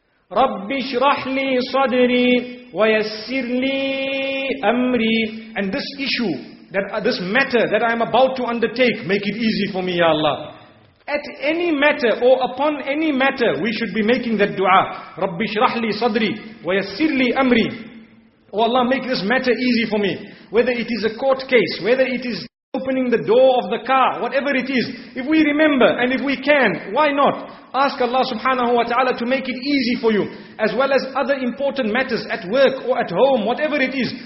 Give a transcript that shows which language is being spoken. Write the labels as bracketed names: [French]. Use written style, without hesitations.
[Arabic] رَبِّ شْرَحْ لِي صَدَرِي وَيَسِّرْ لِي أَمْرِي. [English] And this issue, that this matter that I am about to undertake, make it easy for me, Ya Allah. At any matter or upon any matter, we should be making that dua. [Arabic] رَبِّ شْرَحْ لِي صَدْرِي وَيَسِّرْ لِي أَمْرِي. [English] Oh Allah, make this matter easy for me. Whether it is a court case, whether it is opening the door of the car, whatever it is. If we remember and if we can, why not? Ask Allah subhanahu wa ta'ala to make it easy for you. As well as other important matters at work or at home, whatever it is.